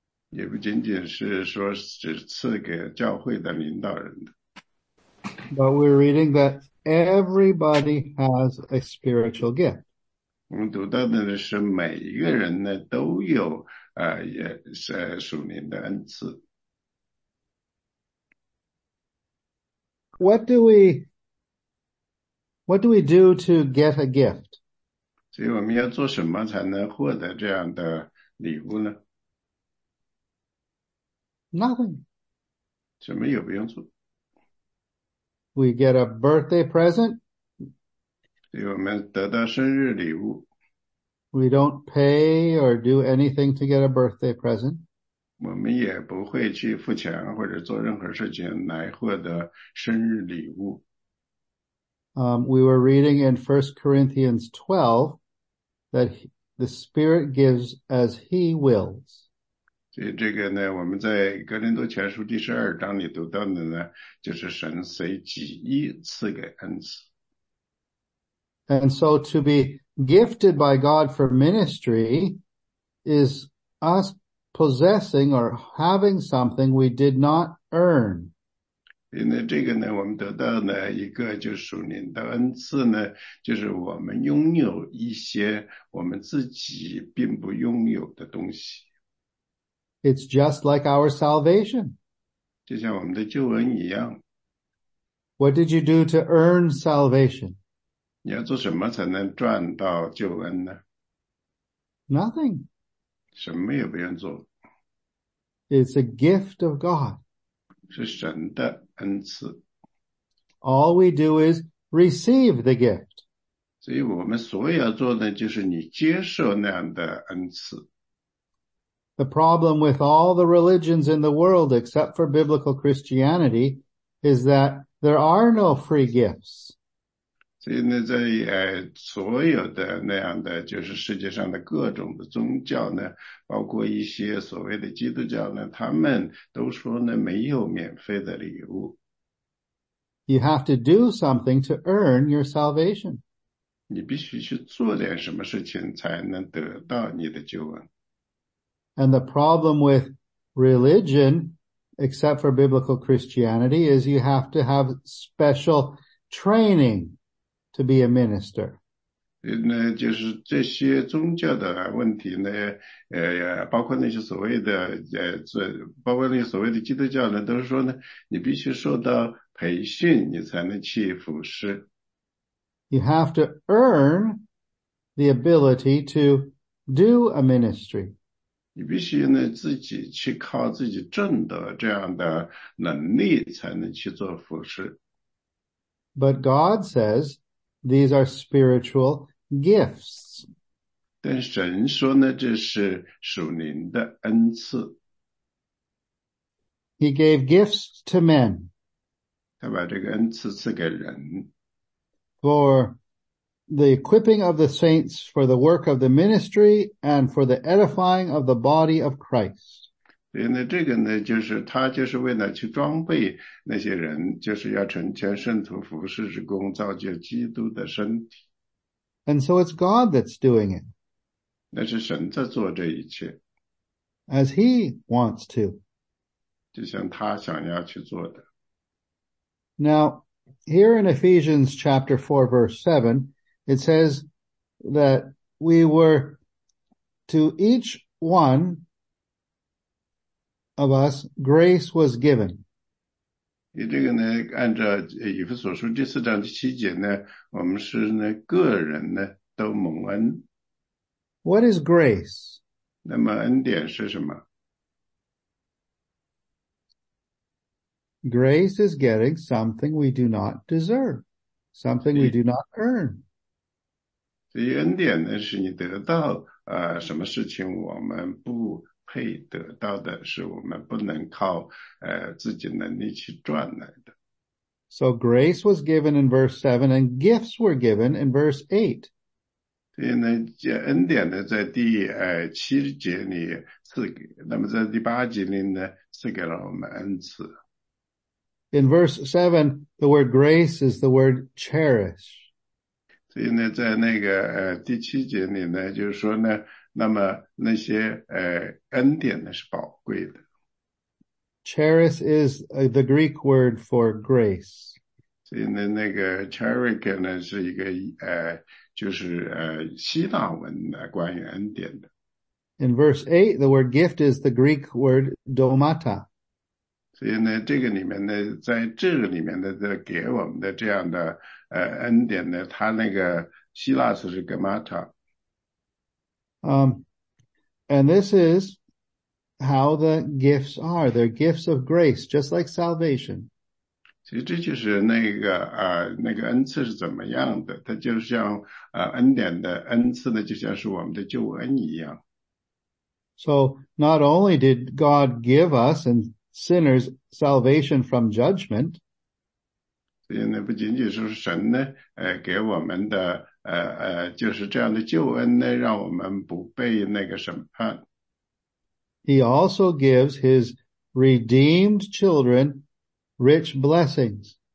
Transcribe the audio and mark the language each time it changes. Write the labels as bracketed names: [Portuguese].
[Chinese] 也不仅仅是说是赐给教会的领导人的。 [English] But we're reading that everybody has a spiritual gift. [Chinese] 我们读到的是每一个人呢都有也是属灵的恩赐。 [English] What do we do to get a gift? [Chinese] 所以我们要做什么才能获得这样的礼物呢？ [English] Nothing. [Chinese] 什么也不用做。 [English] We get a birthday present. [Chinese] 所以我们得到生日礼物。 [English] We don't pay or do anything to get a birthday present. [Chinese] 我们也不会去付钱或者做任何事情来获得生日礼物。 [English] We were reading in 1 Corinthians 12 that the Spirit gives as He wills. [Chinese] 所以这个呢，我们在格林多前书第十二章里读到的呢，就是神随己意赐给恩赐。 [English] And so to be gifted by God for ministry is us possessing or having something we did not earn. [Chinese] 因为这个呢，我们得到呢一个就属灵的恩赐呢，就是我们拥有一些我们自己并不拥有的东西。 [English] It's just like our salvation. [Chinese] 就像我们的救恩一样。 [English] What did you do to earn salvation? [Chinese] 你要做什么才能赚到救恩呢？ [English] Nothing. [Chinese] 什么也不用做。 [English] It's a gift of God. [Chinese] 是神的恩赐。 [English] All we do is receive the gift. [Chinese] 所以我们所要做的就是你接受那样的恩赐。 [English] The problem with all the religions in the world except for biblical Christianity is that there are no free gifts. [Chinese] 所以呢，在所有的那样的就是世界上的各种的宗教呢，包括一些所谓的基督教呢，他们都说呢没有免费的礼物。 [English] You have to do something to earn your salvation. [Chinese] 你必须去做点什么事情才能得到你的救恩。 [English] And the problem with religion, except for biblical Christianity, is you have to have special training to be a minister. [Chinese] 那就是这些宗教的问题呢，包括那些所谓的包括那些所谓的基督教呢，都是说呢，你必须受到培训，你才能去服侍。 [English] You have to earn the ability to do a ministry. [Chinese] 你必须呢自己去靠自己挣得这样的能力，才能去做服侍。 [English] But God says these are spiritual gifts. [Chinese] 但神说呢，这是属灵的恩赐。 [English] He gave gifts to men. [Chinese] 他把这个恩赐赐给人。 [English] For the equipping of the saints for the work of the ministry and for the edifying of the body of Christ. [Chinese] 所以呢，这个呢，就是他就是为了去装备那些人，就是要成全圣徒，服事之功，造就基督的身体。 [English] And so it's God that's doing it. [Chinese] 那是神在做这一切。 [English] As he wants to. [Chinese] 就像他想要去做的。 [English] Now, here in Ephesians chapter 4 verse 7, it says that we were to each one of us, grace was given. [Chinese] 这个呢，按照以弗所书第四章第七节呢，我们是呢个人呢都蒙恩。 [English] What is grace? [Chinese] 那么恩典是什么？ [English] Grace is getting something we do not deserve, something we do not earn. [Chinese] 这恩典呢，是你得到什么事情我们不配得到的，是我们不能靠自己能力去赚来的。 [English] So grace was given in verse 7 and gifts were given in verse 8. [Chinese] 所以呢，这恩典呢，在第七节里赐给，那么在第八节里呢，赐给了我们恩赐。 [English] In verse 7, the word grace is the word cherish. [Chinese] 所以呢，在那个第七节里呢，就是说呢，那么那些恩典呢是宝贵的。 [English] Cherish is the Greek word for grace. [Chinese] 所以呢，那个 cherish 呢是一个就是希腊文的关于恩典的。 [English] In verse 8, the word gift is the Greek word domata. [Chinese] 所以呢，这个里面呢，在这个里面呢，在给我们的这样的恩典呢，它那个希腊词是 gamata。 [English] And this is how the gifts are. They're gifts of grace, just like salvation. [Chinese] 其实这就是那个恩赐是怎么样的？它就像恩典的恩赐呢，就像是我们的救恩一样。 [English] So not only did God give us and sinners salvation from judgment. [Chinese] 所以呢，不仅仅是神呢，给我们的就是这样的救恩呢，让我们不被那个审判。 [English] He also gives his redeemed children rich blessings.